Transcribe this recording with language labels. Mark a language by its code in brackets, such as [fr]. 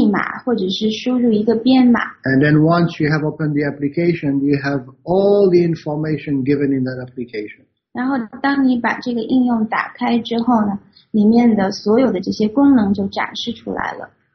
[zh] 比如说呢，有的时候你要开启一个应用的话，你必须要输入一个密码，或者是输入一个编码。 [en] And then once you have opened the application, you have all the information given in that application. [zh] 然后当你把这个应用打开之后呢，里面的所有的这些功能就展示出来了。